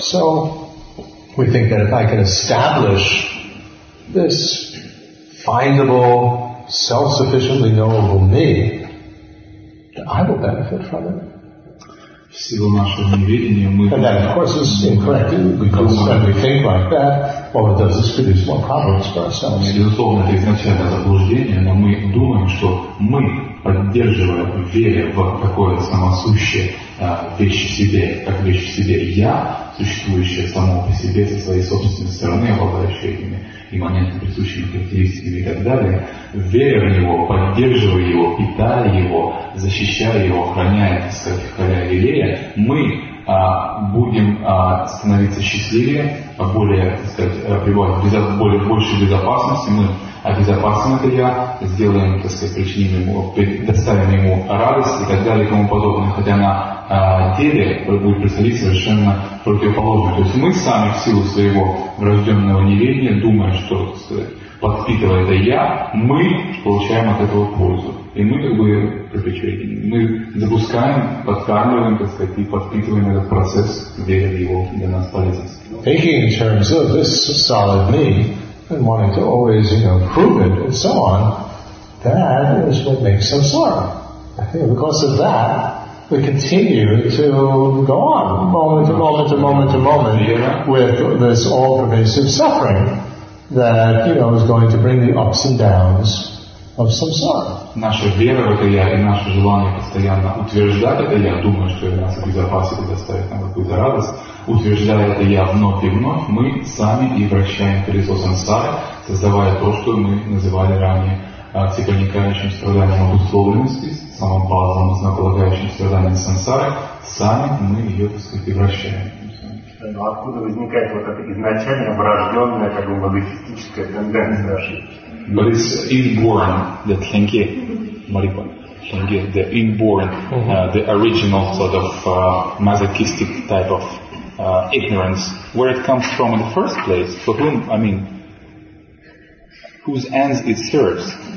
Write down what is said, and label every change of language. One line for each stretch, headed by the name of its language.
English: So we think that if I can establish this findable, self-sufficiently knowable me, I will benefit from it. And that, of course, is incorrect, because when we think like that, all it does is produce more problems for ourselves.
Russian: Безусловно, это изначально заблуждение, но мы думаем, что мы, поддерживая веру в такое самосущее вещь в себе, как вещь в себе «я», существующее само по себе со своей собственной стороны, обладающей этими моментно присущими характеристиками и так далее, веря в него, поддерживая его, питая его, защищая его, охраняя, так сказать, халя и лея, мы будем становиться счастливее, более, так сказать, пребывать в большей безопасности, мы обезопасим это я, сделаем, так сказать, причиним ему, предоставим ему радость и так далее и тому подобное, хотя на деле будет происходить совершенно противоположно. То есть мы сами в силу своего врожденного неверия, думая, что, так сказать, подпитывая это я, мы получаем от этого пользу. И мы как бы, мы запускаем, подкармливаем, так сказать, и подпитываем этот процесс, веря в его для нас полезность.
English: Thinking in terms of this solid me, and wanting to always, you know, prove it, and so on, that is what makes samsara. I think because of that, we continue to go on, moment to moment to moment to moment, with this all-pervasive suffering that, you know, is going to bring the ups and downs of samsara. Наша вера в это я и наше желание постоянно утверждать это я, думая, что это нас обезопасит и доставит нам какую-то радость, утверждая это я вновь и вновь, мы сами и вращаем колесо сансары, создавая то, что мы называли ранее всепроникающим страданием обусловленности, самым базовым основополагающим страданием сансары, сами мы ее, так сказать, и вращаем.
Russian: Но откуда возникает вот эта изначально врожденная, как бы, модифистическая тенденция ошибки?
English: But it's inborn, the tenge, the inborn, the original sort of masochistic type of ignorance. Where it comes from in the first place? For whom? I mean, whose ends it serves?